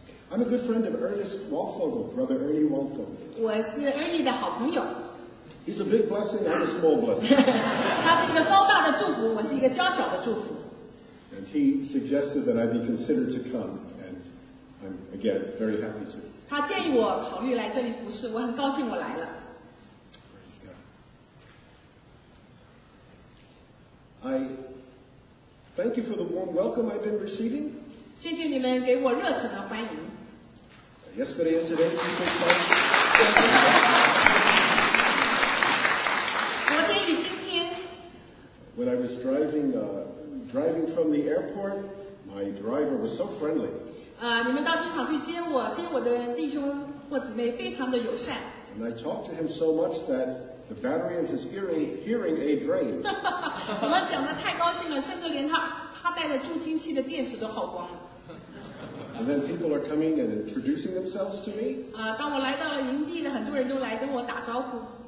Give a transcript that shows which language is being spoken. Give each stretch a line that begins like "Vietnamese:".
English: I'm a good friend of Ernest Waldfogel, brother Ernie Waldfogel.
Chinese: 我是 Ernie 的好朋友。
English: He's a big blessing, I'm a small blessing.
Chinese: 他是一个高大的祝福，我是一个娇小的祝福。
English: And he suggested that I be considered to come, and I'm again very happy to.
Chinese: 他建议我考虑来这里服侍，我很高兴我来了。
English: Praise God. I thank you for the warm welcome I've been receiving.
Chinese: 谢谢你们给我热情的欢迎。
English: Yesterday and today, it's been fun.
Chinese: 昨天与今天。
English: When I was driving from the airport, my driver was so friendly.
Chinese: 你们到机场去接我，接我的弟兄或姊妹非常的友善。
English: And I talked to him so much that the battery of his hearing aid drained.
Chinese: 我们讲得太高兴了，甚至连他带的助听器的电池都耗光了。
English: And then people are coming and introducing themselves to me.
Chinese: 当我来到了营地的很多人都来跟我打招呼。